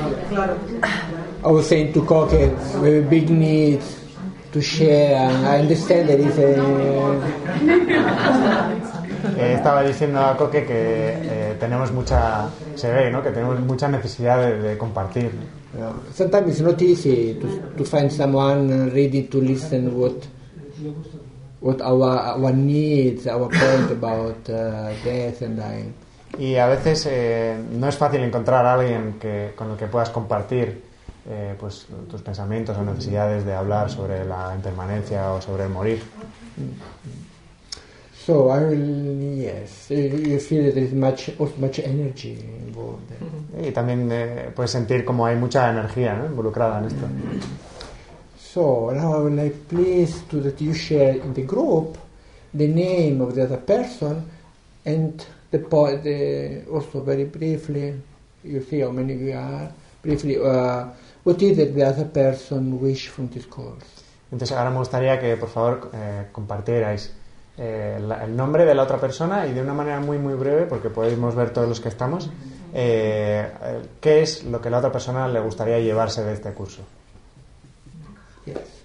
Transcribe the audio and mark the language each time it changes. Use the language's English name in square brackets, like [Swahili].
[English] I was saying to Koke, we have a big need to share, and I understand that he's a... [Spanish] Estaba diciendo a Koke que tenemos mucha... Se ve, ¿no? Que tenemos mucha necesidad de compartir. [English] Sometimes it's not easy to find someone ready to listen what our needs, our point about death and dying. [Spanish] Y a veces no es fácil encontrar a alguien que, con el que puedas compartir pues tus pensamientos o necesidades de hablar sobre la impermanencia o sobre el morir. [English] So I will, yes, you feel that there is much energy involved. [Spanish] Y también puedes sentir como hay mucha energía, ¿no?, involucrada en esto. [English] So now I would like please to that you share in the group the name of the other person and the point, also very briefly, you see how many we are, briefly, what is it the other person wish from this course? [Spanish] Entonces ahora me gustaría que por favor compartierais el nombre de la otra persona y de una manera muy muy breve, porque podemos ver todos los que estamos, qué es lo que la otra persona le gustaría llevarse de este curso. [English] Yes.